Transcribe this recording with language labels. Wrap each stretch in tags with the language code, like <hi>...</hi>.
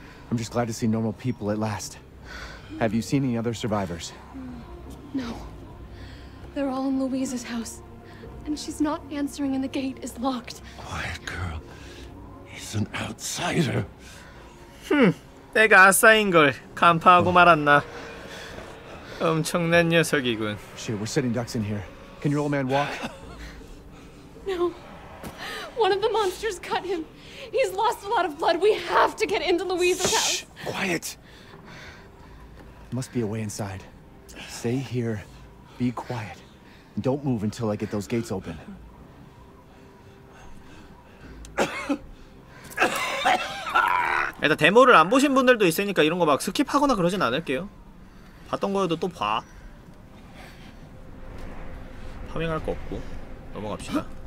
<en>I'm just glad to see normal people at last. Have you seen any other survivors? No. They're all in Louise's house. And she's not answering and the gate is locked. Quiet, girl. He's an outsider. Hmm.</en> <ko>내가 아싸인 걸 간파하고 말았나. 엄청난 녀석이군.</ko> <en>Shit, we're sitting ducks in here. Can your old man walk? No. One of the monsters cut him. He's lost a lot of blood. We have to get into Louise's house. Shh, quiet. Must be a way inside. Stay here. Be quiet. And don't move until I get those gates open.</en> <ko>Hey, 데모를 안 보신 분들도 있으니까 이런 거 막 스킵하거나 그러진 않을게요. 봤던 거여도 또 봐. 파밍할 거 없고 넘어갑시다.</ko>